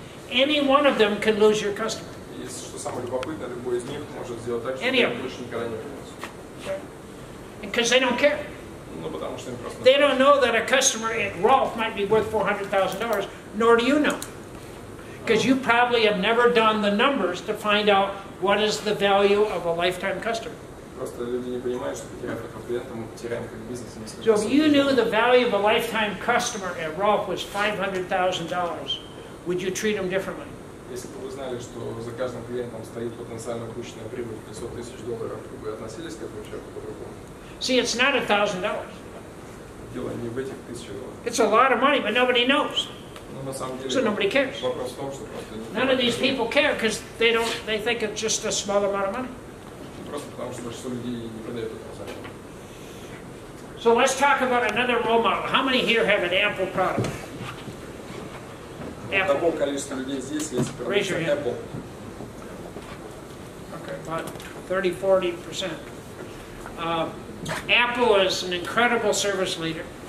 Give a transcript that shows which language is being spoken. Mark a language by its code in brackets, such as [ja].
[en] Any one of them can lose your customer. [ru] Самое любопытное, любой из них может сделать так, что они больше никогда не вернутся. [en] Because they don't care. [ru] Ну, потому что им просто... [en] They don't know that a customer at Rolf might be worth $400,000, nor do you know. Because you probably have never done the numbers to find out what is the value of a lifetime customer. [ru] Просто люди не понимают, что потеряв такого клиента, мы потеряем как бизнес. [en] So if you knew the value of a lifetime customer at Rolf was $500,000, would you treat them differently? [ru] Если бы вы знали, что за каждым клиентом стоит потенциально упущенная прибыль в $500,000, вы бы относились к этому человеку по-другому? [en] See, it's not $1,000. [ru] Дело не в этих $1,000. [en] It's a lot of money, but nobody knows. [ru] Ну, на самом деле, [en] so nobody cares. [ru] Вопрос в том, что просто... [en] None of these people care, because they think it's just a small amount of money. [ru] Просто потому, что большинство людей не продают это за счет. [en] So let's talk about another role model. How many here have an Apple product? [ru] Такого количества людей здесь есть продукция Apple. [en] Okay, about 30-40%. Apple is an incredible service leader.